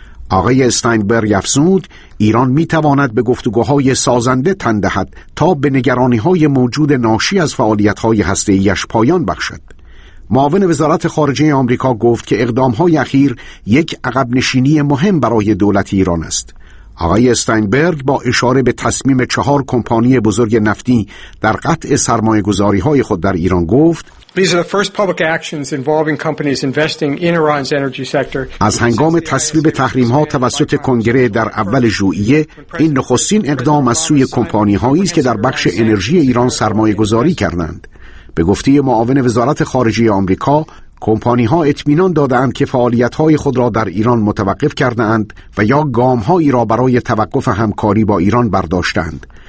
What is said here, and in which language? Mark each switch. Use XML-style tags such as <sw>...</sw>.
<fa>آقای استاینبرگ افزود ایران می تواند به گفتگوهای سازنده تن دهد تا به نگرانی های موجود ناشی از فعالیت های هسته‌ای‌اش پایان بخشد. معاون وزارت خارجه آمریکا گفت که اقدام های اخیر یک عقب نشینی مهم برای دولت ایران است. آقای استاینبرگ با اشاره به تصمیم 4 کمپانی بزرگ نفتی در قطع سرمایه گذاری های خود در ایران گفت:</fa> <en>These are the first public actions involving companies investing in Iran's energy sector.</en> <fa>از هنگام تصویب تحریم‌ها توسط کنگره در اول ژوئیه، این نخستین اقدام از سوی کمپانی‌هایی است که در بخش انرژی ایران سرمایه‌گذاری کردند. به گفته معاون وزارت خارجه آمریکا، کمپانی‌ها اطمینان دادند که فعالیت‌های خود را در ایران متوقف کرده‌اند و یا گام‌هایی را برای توقف همکاری با ایران برداشتند.</fa>